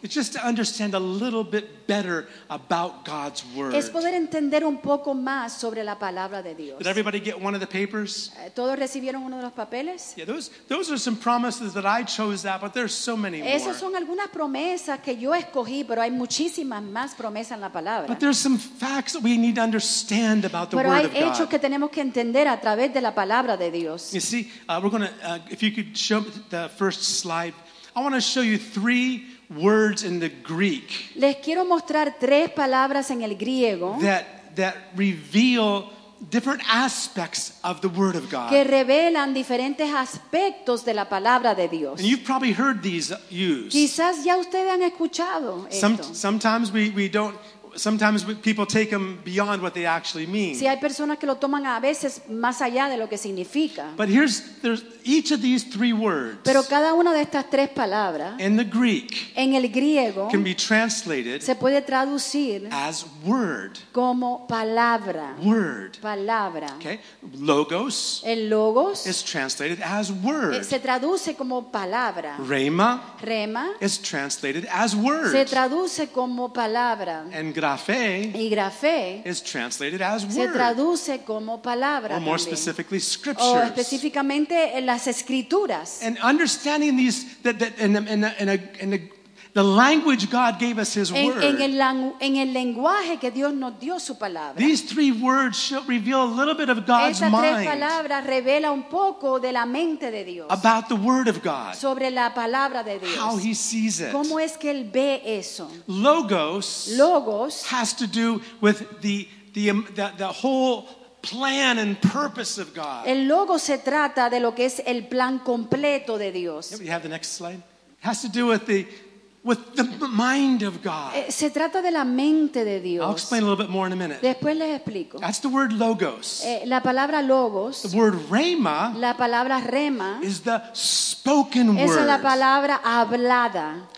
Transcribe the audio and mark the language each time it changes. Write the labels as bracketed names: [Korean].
[English] It's just to understand a little bit better about God's word. [Spanish] Es poder entender un poco más sobre la palabra de Dios. [English] Did everybody get one of the papers? [Spanish] Todos recibieron uno de los papeles. [English] Yeah, those are some promises that I chose that, but there's so many more. [Spanish] Esas son algunas promesas que yo escogí, pero hay muchísimas más promesas en la palabra. [English] But there's some facts that we need to understand about the word of God. [Spanish] Pero hay hechos que tenemos que entender a través de la palabra de Dios. [English] You see, we're going to if you could show the first slide, I want to show you three words in the Greek. [Spanish] Les quiero mostrar tres palabras en el griego [English] that reveal different aspects of the word of God. [Spanish] Que revelan diferentes aspectos de la palabra de Dios. [English] And you've probably heard these used. [Spanish] Quizás ya ustedes han escuchado esto. [English] Sometimes we don't. Sometimes people take them beyond what they actually mean. [Spanish] Sí, hay personas que lo toman a veces más allá de lo que significa. [English] But there's each of these three words. [Spanish] Pero cada una de estas tres palabras. [English] In the Greek. [Spanish] En el griego. [English] Can be translated. [Spanish] Se puede traducir. [English] As word. [Spanish] Como palabra. [English] Word. [Spanish] Palabra. [English] Okay. Logos. [Spanish] El logos. [English] Is translated as word. [Spanish] Se traduce como palabra. [English] Rhema. [Spanish] Rhema. [English] Is translated as word. [Spanish] Se traduce como palabra. [English] And grafe, [Spanish] y grafe [English] is translated as word, [Spanish] se traduce como palabra, [English] or more specifically scriptures, [Spanish] o específicamente las escrituras. [English] And understanding these that in a the language God gave us His word. [Spanish] En el lenguaje que Dios nos dio su palabra. [English] These three words shall reveal a little bit of God's mind. [Spanish] Estas tres palabras revela un poco de la mente de Dios. [English] About the word of God. [Spanish] Sobre la palabra de Dios. [English] How He sees it. [Spanish] Cómo es que él ve eso. [English] Logos has to do with the whole plan and purpose of God. [Spanish] El logo se trata de lo que es el plan completo de Dios. [English] You have the next slide. It has to do with the mind of God. [Spanish] Se trata de la mente de Dios. [English] I'll explain a little bit more in a minute. [Spanish] Después les explico. [English] That's the word logos. [Spanish] La palabra logos. [English] The word rhema. [Spanish] La palabra rhema. [English] Is the spoken word. [Spanish] Esa es la palabra hablada.